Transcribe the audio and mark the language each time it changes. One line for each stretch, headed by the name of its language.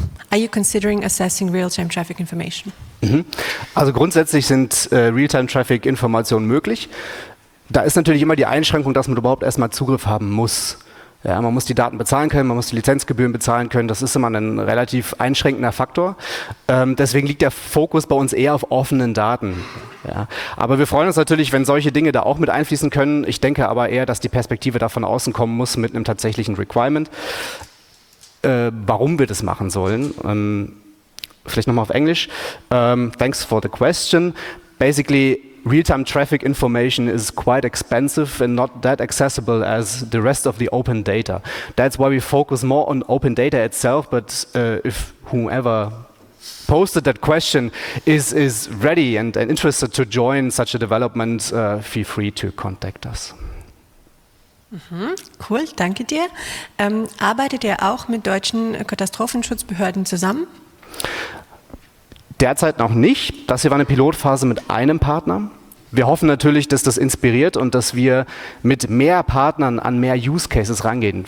English: Are you considering assessing real-time traffic information?
German: Also grundsätzlich sind Real-Time-Traffic-Informationen möglich. Da ist natürlich immer die Einschränkung, dass man überhaupt erstmal Zugriff haben muss. Ja, man muss die Daten bezahlen können, man muss die Lizenzgebühren bezahlen können. Das ist immer ein relativ einschränkender Faktor. Deswegen liegt der Fokus bei uns eher auf offenen Daten. Ja, aber wir freuen uns natürlich, wenn solche Dinge da auch mit einfließen können. Ich denke aber eher, dass die Perspektive da von außen kommen muss mit einem tatsächlichen Requirement. Warum wir das machen sollen. Vielleicht nochmal auf Englisch.
English: Thanks for the question. Basically, real-time traffic information is quite expensive and not that accessible as the rest of the open data. That's why we focus more on open data itself, but if whomever posted that question is ready and interested to join such a development, feel free to contact us.
German: Cool, danke dir. Arbeitet ihr auch mit deutschen Katastrophenschutzbehörden zusammen? Derzeit noch nicht. Das hier war eine Pilotphase mit einem Partner. Wir hoffen natürlich, dass das inspiriert und dass wir mit mehr Partnern an mehr Use Cases rangehen.